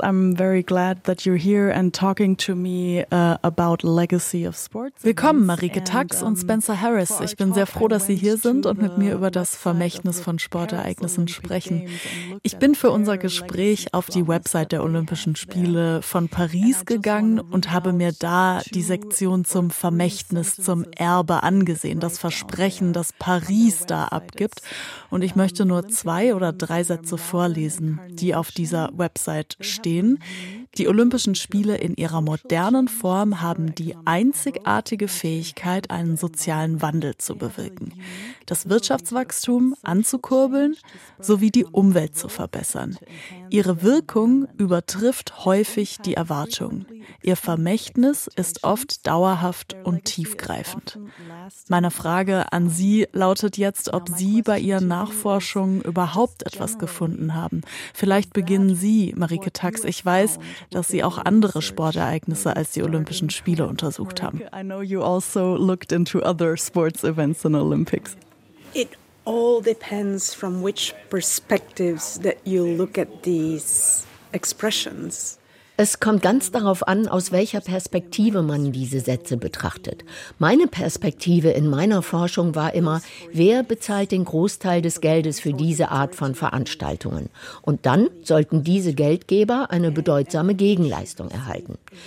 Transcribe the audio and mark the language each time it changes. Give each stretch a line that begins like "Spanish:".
English: I'm very glad that you're here and talking to me about legacy of sports.
German: Willkommen, Marieke Tax und Spencer Harris. Ich bin sehr froh, dass Sie hier sind und mit mir über das Vermächtnis von Sportereignissen sprechen. Ich bin für unser Gespräch auf die Website der Olympischen Spiele von Paris gegangen und habe mir da die Sektion zum Vermächtnis, zum Erbe angesehen, das Versprechen, das Paris da abgibt. Und ich möchte nur zwei oder drei Sätze vorlesen, die auf dieser Website stehen. Die Olympischen Spiele in ihrer modernen Form haben die einzigartige Fähigkeit, einen sozialen Wandel zu bewirken, das Wirtschaftswachstum anzukurbeln sowie die Umwelt zu verbessern. Ihre Wirkung übertrifft häufig die Erwartungen. Ihr Vermächtnis ist oft dauerhaft und tiefgreifend. Meine Frage an Sie lautet jetzt, ob Sie bei Ihren Nachforschungen überhaupt etwas gefunden haben. Vielleicht beginnen Sie, Marieke Tax. Ich weiß, dass Sie auch andere Sportereignisse als die Olympischen Spiele untersucht haben.
English: I know you also looked into other sports events in Olympics. It all depends from which perspectives that you look at these expressions.
German: Es kommt ganz darauf an, aus welcher Perspektive man diese Sätze betrachtet. Meine Perspektive in meiner Forschung war immer, wer bezahlt den Großteil des Geldes für diese Art von Veranstaltungen? Und dann sollten diese Geldgeber eine bedeutsame Gegenleistung erhalten.